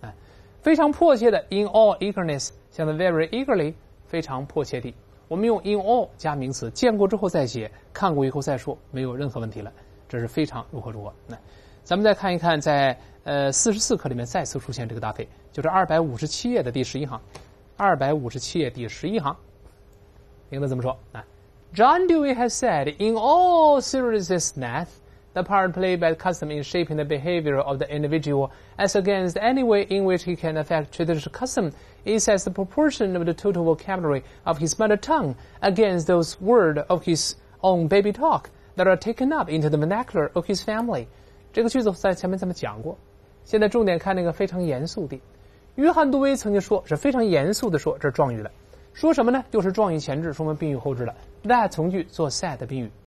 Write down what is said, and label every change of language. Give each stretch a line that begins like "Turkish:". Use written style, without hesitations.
Chinese: 那非常迫切的
English: in all eagerness
Chinese: 相当
English: very eagerly，
Chinese: 非常迫切的。我们用
English: in all
Chinese: 加名词，见过之后再写，看过以后再说，没有任何问题了。这是非常如何如何。那咱们再看一看在44课里面再次出现这个搭配，就是257页的第11行。 257页第11行。名字怎么说？
English: 来 ,John Dewey has said in all seriousness, the part played by custom in shaping the behavior of the individual as against any way in which he can affect traditional custom,It says the proportion of the total vocabulary of his mother tongue against those words of his own baby talk that are taken up into the vernacular of his family.
Chinese: 这个句子在前面咱们讲过，现在重点看那个非常严肃的。约翰杜威曾经说，是非常严肃的说，这是状语了。说什么呢？就是状语前置，说明宾语后置了。 That 从句做 said 的宾语。